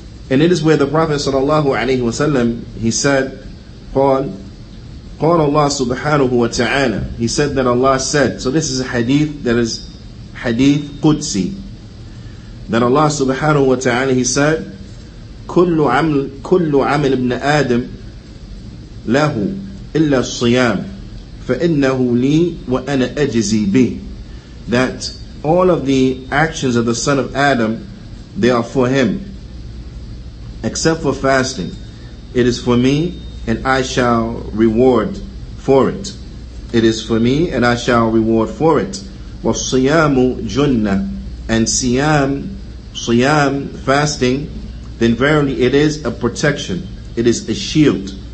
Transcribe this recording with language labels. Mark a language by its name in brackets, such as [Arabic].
[English] And it is where the Prophet sallallahu alayhi wa sallam, he said, [Arabic] قال الله سبحانه وتعالى. [English] He said that Allah said, so this is a hadith that is hadith Qudsi, that Allah subhanahu wa ta'ala, He said, [Arabic] كل عمل ابن آدم له إلا الصيام فإنه لي وأنا أجزي به. [English] That all of the actions of the son of Adam, they are for him, except for fasting. It is for me and I shall reward for it. It is for me and I shall reward for it. [Arabic] وَالصِّيَامُ جُنَّةً. [English] And صِيَام, fasting, then verily it is a protection. It is a shield.